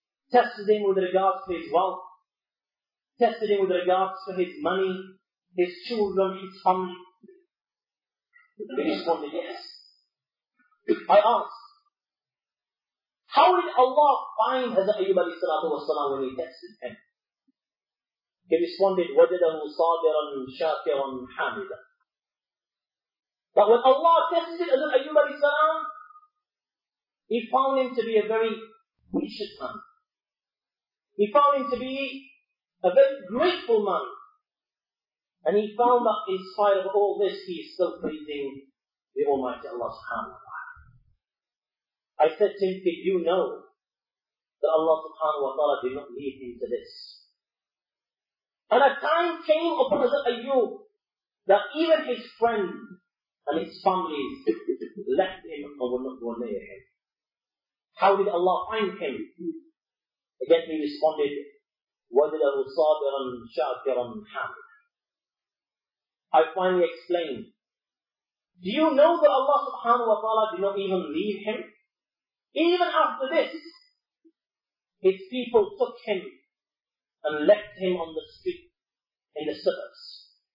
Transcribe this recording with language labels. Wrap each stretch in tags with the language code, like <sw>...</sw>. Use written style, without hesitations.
<en>Tested him with regards to his wealth, tested him with regards to his money, his children, his family. He responded, yes. I asked, how did Allah find Hazrat Ayyub alayhi salatu wa salam when he tested him? He responded,</en> <ar>وَجَدَهُ صَابِرًا شَاكِرًا حَامِدًا.</ar> <en>But when Allah tested Hazrat Ayyub alayhi salam, he found him to be a very patient man. He found him to be a very grateful man. And he found that in spite of all this, he is still pleasing the Almighty Allah subhanahu wa ta'ala. I said to him, did you know that Allah subhanahu wa ta'ala did not lead him to this? And a time came upon Hazrat Ayyub that even his friend and his family left him and were not going near him. How did Allah find him? Again he responded,</en> <ar>وَجَدَهُ صَابِرًا شَاكِرًا حَامِدًا.</ar> <en>I finally explained, do you know that Allah subhanahu wa ta'ala did not even leave him? Even after this, his people took him and left him on the street in the suburbs.</en>